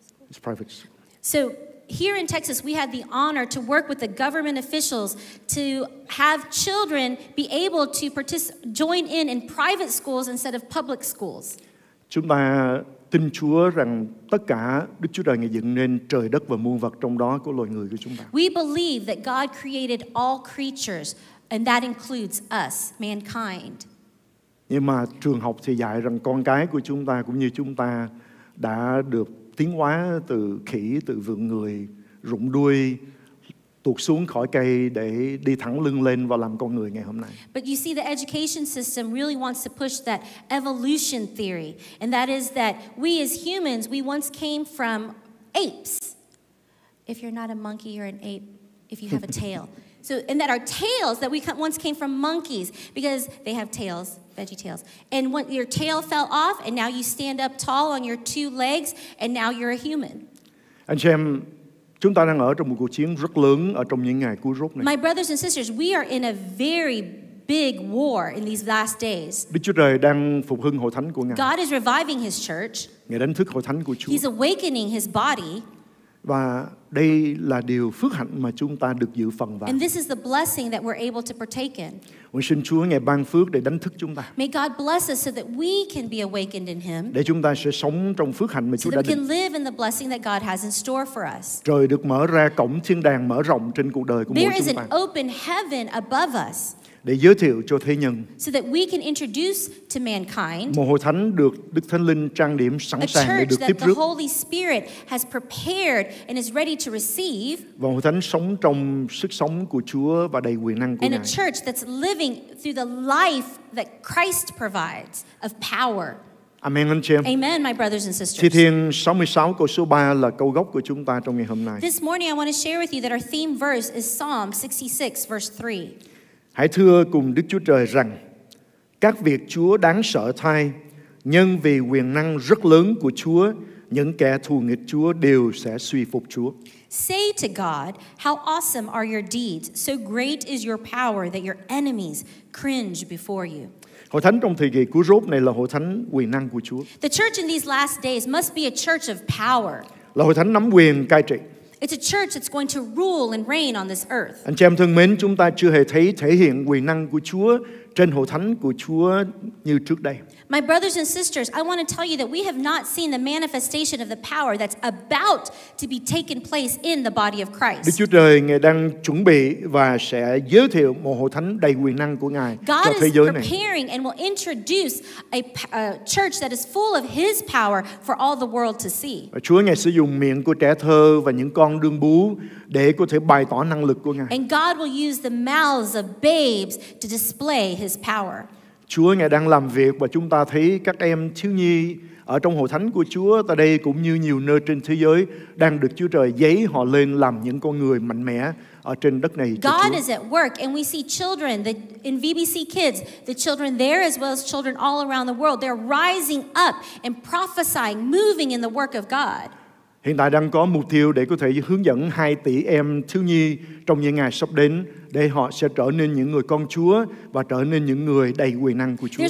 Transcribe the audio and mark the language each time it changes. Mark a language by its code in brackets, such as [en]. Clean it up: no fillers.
[en] It's private school. Here in Texas, we had the honor to work with the government officials to have children be able to join in private schools instead of public schools. [vi] Chúng ta tin Chúa rằng tất cả Đức Chúa Trời ngài dựng nên trời đất và muôn vật trong đó của loài người của chúng ta. [en] We believe that God created all creatures, and that includes us, mankind. [vi] Nhưng mà trường học thì dạy rằng con cái của chúng ta cũng như chúng ta đã được tiến hóa từ khỉ, từ vượn người, rụng đuôi, tuột xuống khỏi cây để đi thẳng lưng lên và làm con người ngày hôm nay. [en] But you see, the education system really wants to push that evolution theory, and that is that we as humans, we once came from apes. If you're not a monkey, you're an ape, if you have a tail. So, and that our tails, that we once came from monkeys, because they have tails, veggie tails. And when your tail fell off, and now you stand up tall on your two legs, and now you're a human. [vi] Anh chị em, chúng ta đang ở trong một cuộc chiến rất lớn ở trong những ngày cuối rốt này. [en] My brothers and sisters, we are in a very big war in these last days. [vi] Đức Chúa Trời đang phục hưng hội thánh của Ngài. [en] God is reviving His church. [vi] Ngài đánh thức hội thánh của Chúa. [en] He's awakening His body. [vi] Và đây là điều phước hạnh mà chúng ta được dự phần vào. [en] And this is the blessing that we're able to partake in. [vi] Nguyện xin Chúa ngài ban phước để đánh thức chúng ta. [en] May God bless us so that we can be awakened in Him. [vi] Để chúng ta sẽ sống trong phước hạnh mà Chúa đã định. [en] So that we can live in the blessing that God has in store for us. [vi] Trời được mở ra, cổng thiên đàng mở rộng trên cuộc đời của mỗi chúng ta. [en] There is an open heaven above us. [vi] Để giới thiệu cho thế nhân. [en] So that we can introduce to mankind. [vi] Một hội thánh được Đức Thánh Linh trang điểm sẵn sàng để được tiếp rước. [en] A church that the Holy Spirit has prepared and is ready to receive. [vi] Và hội thánh sống trong sức sống của Chúa và đầy quyền năng của Ngài. [en] And a church that's living through the life that Christ provides of power. [vi] Amen, anh chị em. [en] Amen, my brothers and sisters. [vi] Thi Thiên 66 câu số 3 là câu gốc của chúng ta trong ngày hôm nay. [en] This morning I want to share with you that our theme verse is Psalm 66 verse 3. [vi] Hãy thưa cùng Đức Chúa Trời rằng các việc Chúa đáng sợ thay, nhưng vì quyền năng rất lớn của Chúa, những kẻ thù nghịch Chúa đều sẽ suy phục Chúa. [en] Say to God, how awesome are your deeds, so great is your power that your enemies cringe before you. [vi] Hội thánh trong thời kỳ cuối rốt này là hội thánh quyền năng của Chúa. [en] The church in these last days must be a church of power. [vi] Là hội thánh nắm quyền cai trị. [en] It's a church that's going to rule and reign on this earth. [vi] Anh chị em thân mến, chúng ta chưa hề thấy thể hiện quyền năng của Chúa trên hội thánh của Chúa như trước đây. [en] My brothers and sisters, I want to tell you that we have not seen the manifestation of the power that's about to be taken place in the body of Christ. [vi] Đức Chúa Trời ngài đang chuẩn bị và sẽ giới thiệu một hội thánh đầy quyền năng của ngài cho thế giới này. [en] God is preparing and will introduce a church that is full of His power for all the world to see. [vi] Chúa ngài sử dụng miệng của trẻ thơ và những con đương bú để có thể bày tỏ năng lực của ngài. [en] And God will use the mouths of babes to display His power. [vi] Chúa ngài đang làm việc và chúng ta thấy các em thiếu nhi ở trong hội thánh của Chúa tại đây cũng như nhiều nơi trên thế giới đang được Chúa Trời dấy họ lên làm những con người mạnh mẽ ở trên đất này. [en] God is at work, and we see children in VBC Kids, the children there as well as children all around the world, they're rising up and prophesying, moving in the work of God. [vi] Hiện tại đang có mục tiêu để có thể hướng dẫn 2 tỷ em thiếu nhi trong những ngày sắp đến để họ sẽ trở nên những người con Chúa và trở nên những người đầy quyền năng của Chúa.